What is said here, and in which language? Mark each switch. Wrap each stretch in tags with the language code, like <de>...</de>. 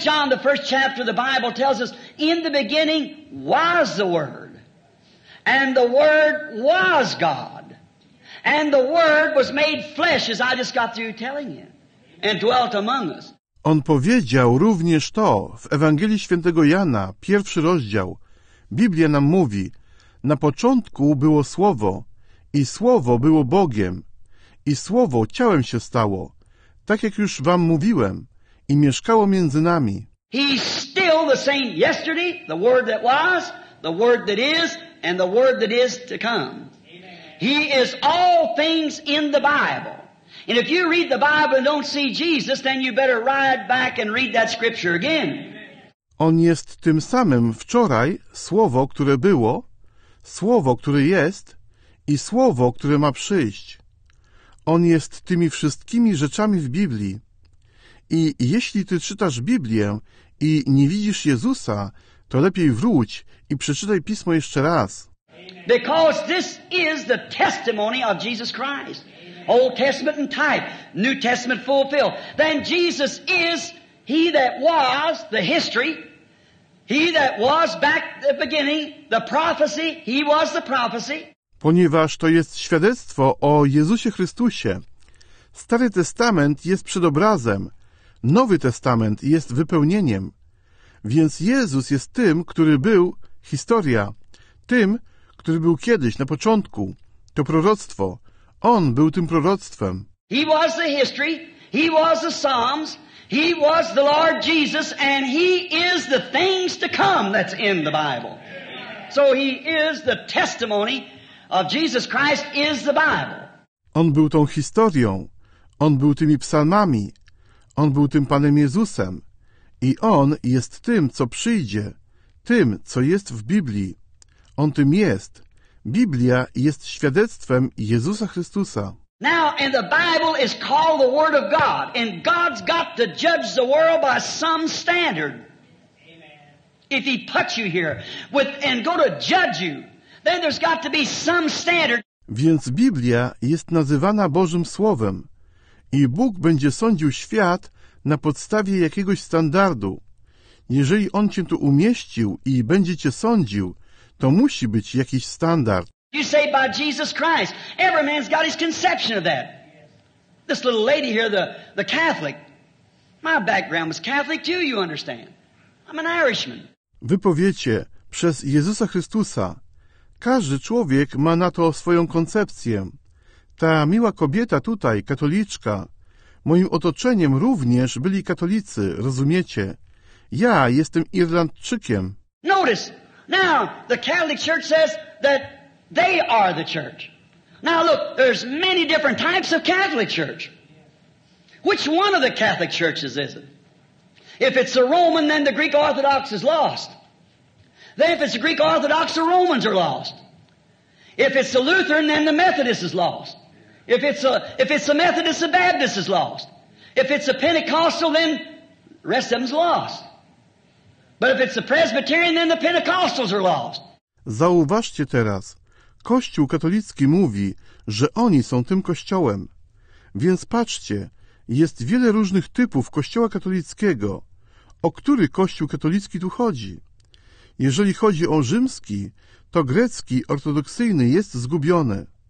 <en>John, the first chapter of the Bible tells us, in the beginning was the Word. And the Word was God. And the Word was made flesh, as I just got through telling you, and dwelt among us.</en> <pl>On powiedział również to w Ewangelii Świętego Jana, pierwszy rozdział. Biblia nam mówi, na początku było Słowo i Słowo było Bogiem i Słowo ciałem się stało, tak jak już wam mówiłem, i mieszkało między nami.</pl> <en>He's still the same yesterday, the Word that was, the Word that is, and the Word that is to come. He is all things in the Bible. And if you read the Bible and don't see Jesus, then you better ride back and read that scripture again.</en> <pl>On jest tym samym wczoraj, słowo, które było, słowo, które jest i słowo, które ma przyjść. On jest tymi wszystkimi rzeczami w Biblii. I jeśli ty czytasz Biblię i nie widzisz Jezusa, to lepiej wróć i przeczytaj Pismo jeszcze raz.</pl> <en>Because this is the testimony of Jesus Christ. Old Testament in type, New Testament fulfilled. Then Jesus is he that was the history, he that was back at the beginning, the prophecy, he was the prophecy.</en> <pl>Ponieważ to jest świadectwo o Jezusie Chrystusie. Stary Testament jest przedobrazem, Nowy Testament jest wypełnieniem. Więc Jezus jest tym, który był historia, tym, który był kiedyś, na początku. To proroctwo. On był tym proroctwem.</pl> <en>He was the history, he was the Psalms, he was the Lord Jesus, and he is the things to come that's in the Bible. So he is the testimony of Jesus Christ is the Bible.</en> <pl>On był tą historią, on był tymi psalmami, on był tym Panem Jezusem i on jest tym, co przyjdzie, tym, co jest w Biblii. On tym jest. Biblia jest świadectwem Jezusa Chrystusa.</pl> <en>Now, and the Bible is called the Word of God, and God's got to judge the world by some standard. Amen. If he puts you here with and go to judge you, then there's got to be some standard.</en> <pl>Więc Biblia jest nazywana Bożym Słowem i Bóg będzie sądził świat na podstawie jakiegoś standardu. Jeżeli On cię tu umieścił i będzie cię sądził, to musi być jakiś standard.</pl> <en>You say by Jesus Christ. Every man's got his conception of that. This little lady here, the Catholic. My background was Catholic too, you understand. I'm an Irishman.</en> <pl>Wy powiecie, przez Jezusa Chrystusa. Każdy człowiek ma na to swoją koncepcję. Ta miła kobieta tutaj, katoliczka. Moim otoczeniem również byli katolicy, rozumiecie? Ja jestem Irlandczykiem.</pl> <en>Notice. Now, the Catholic Church says that they are the church. Now look, there's many different types of Catholic Church. Which one of the Catholic Churches is it? If it's the Roman, then the Greek Orthodox is lost. Then if it's the Greek Orthodox, the Romans are lost. If it's the Lutheran, then the Methodist is lost. If it's the Methodist, the Baptist is lost. If it's the Pentecostal, then the rest of them is lost. But if it's the Presbyterian, then the Pentecostals are lost.</en> <pl>Zauważcie teraz, Kościół katolicki mówi, że oni są tym kościołem. Więc patrzcie, jest wiele różnych typów kościoła katolickiego. O który kościół katolicki tu chodzi? Jeżeli chodzi o rzymski, to grecki ortodoksyjny jest zgubiony.</pl>